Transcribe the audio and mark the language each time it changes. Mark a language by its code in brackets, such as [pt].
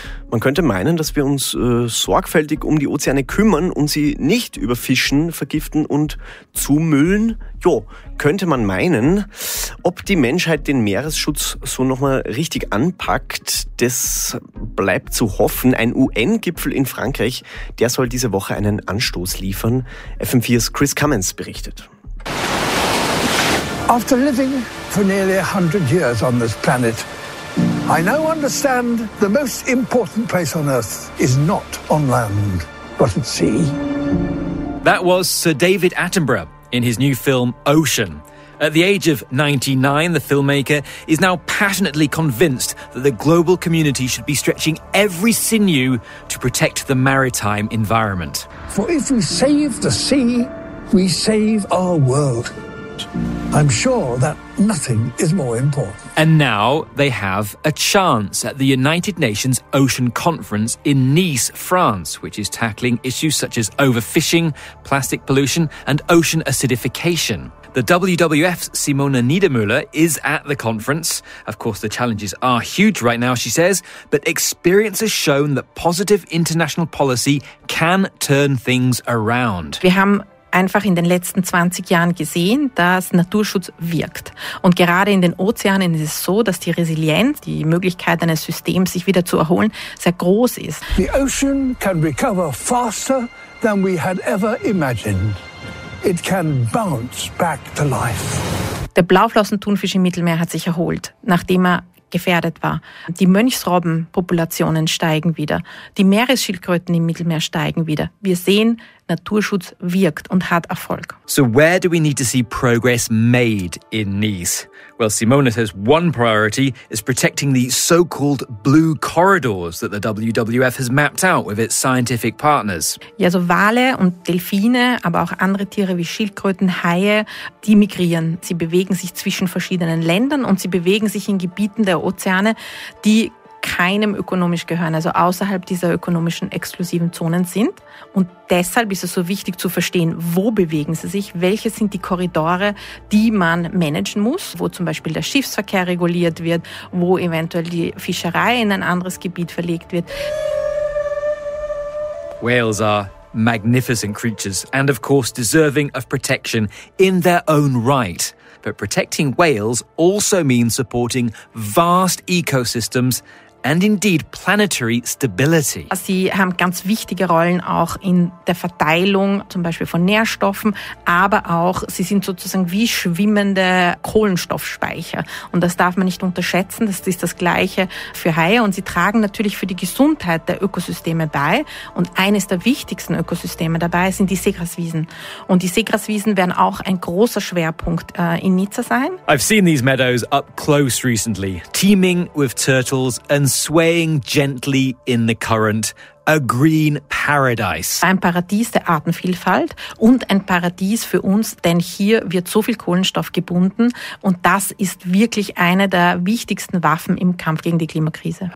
[de] Man könnte meinen, dass wir uns sorgfältig um die Ozeane kümmern und sie nicht überfischen, vergiften und zumüllen. Jo, könnte man meinen. Ob die Menschheit den Meeresschutz so nochmal richtig anpackt, das bleibt zu hoffen. Ein UN-Gipfel in Frankreich, der soll diese Woche einen Anstoß liefern. FM4's Chris Cummins berichtet. [en] After living for nearly 100 years on this planet, I now understand the most important place on Earth is not on land, but at sea. That was Sir David Attenborough in his new film Ocean. At the age of 99, the filmmaker is now passionately convinced that the global community should be stretching every sinew to protect the maritime environment. For if we save the sea, we save our world. I'm sure that nothing is more important. And now they have a chance at the United Nations Ocean Conference in Nice, France, which is tackling issues such as overfishing, plastic pollution, and ocean acidification. The WWF's Simona Niedermüller is at the conference. Of course, the challenges are huge right now, she says, but experience has shown that positive international policy can turn things around. We have [de] einfach in den letzten 20 Jahren gesehen, dass Naturschutz wirkt. Und gerade in den Ozeanen ist es so, dass die Resilienz, die Möglichkeit eines Systems, sich wieder zu erholen, sehr groß ist. [en] The ocean can recover faster than we had ever imagined. It can bounce back to life. [de] Der Blauflossen-Thunfisch im Mittelmeer hat sich erholt, nachdem er gefährdet war. Die Mönchsrobbenpopulationen steigen wieder. Die Meeresschildkröten im Mittelmeer steigen wieder. Wir sehen, Naturschutz wirkt und hat Erfolg. [en] So where do we need to see progress made in Nice? Well, Simona says one priority is protecting the so-called blue corridors that the WWF has mapped out with its scientific partners. [de] Ja, so Wale und Delfine, aber auch andere Tiere wie Schildkröten, Haie, die migrieren. Sie bewegen sich zwischen verschiedenen Ländern und sie bewegen sich in Gebieten der Ozeane, die keinem ökonomisch gehören, also außerhalb dieser ökonomischen exklusiven Zonen sind. Und deshalb ist es so wichtig zu verstehen, wo bewegen sie sich, welche sind die Korridore, die man managen muss, wo zum Beispiel der Schiffsverkehr reguliert wird, wo eventuell die Fischerei in ein anderes Gebiet verlegt wird. [en] Whales are magnificent creatures and of course deserving of protection in their own right. But protecting whales also means supporting vast ecosystems and indeed planetary stability. [de] Sie haben ganz wichtige Rollen auch in der Verteilung, zum Beispiel von Nährstoffen, aber auch sie sind sozusagen wie schwimmende Kohlenstoffspeicher. Und das darf man nicht unterschätzen, das ist das Gleiche für Haie. Und sie tragen natürlich für die Gesundheit der Ökosysteme bei. Und eines der wichtigsten Ökosysteme dabei sind die Seegraswiesen. Und die Seegraswiesen werden auch ein großer Schwerpunkt in Nizza sein. [en] I've seen these meadows up close recently, teeming with turtles and swaying gently in the current, a green paradise. [de] Ein Paradies der Artenvielfalt und ein Paradies für uns, denn hier wird so viel Kohlenstoff gebunden und das ist wirklich eine der wichtigsten Waffen im Kampf gegen die Klimakrise.